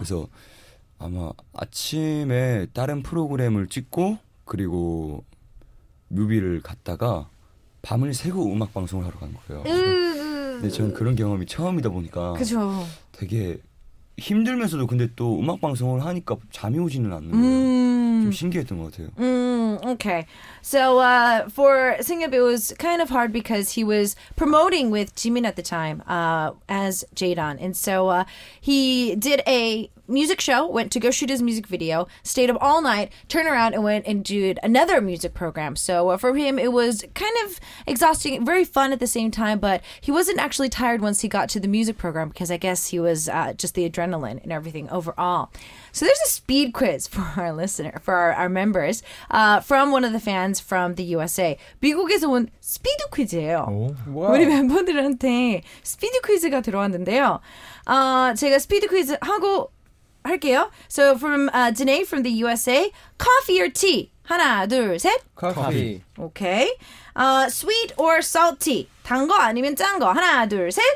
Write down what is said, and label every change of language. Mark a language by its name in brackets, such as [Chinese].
[Korean] 그래서 아마 아침에 다른 프로그램을 찍고 그리고 뮤비를 갔다가 밤을 새고 음악 방송을 하러 간 거예요. 근데 저는 그런 경험이 처음이다 보니까 그쵸. 되게 힘들면서도 근데 또 음악 방송을 하니까 잠이 오지는 않는 거예요. 좀 신기했던 것 같아요. [English] Okay. So for Seungyeop, it was kind of hard because he was promoting with Jimin at the time as Jaydon. And so he did a music show, went to go shoot his music video, stayed up all night, turned around and went and did another music program. So for him, it was kind of exhausting, very fun at the same time, but he wasn't actually tired once he got to the music program because I guess he was just the adrenaline and everything overall. So there's a speed quiz for our listener, for our members, from one of the fans from the USA. [Korean] 미국에서 온 스피드 퀴즈예요. Oh, wow. 우리 멤버들한테 스피드 퀴즈가 들어왔는데요. 제가 스피드 퀴즈 하고 할게요. [English] So from Danae from the USA, coffee or tea? 하나, 둘, 셋. Coffee. Okay. Sweet or salty? 단 거 아니면 짠 거? 하나, 둘, 셋.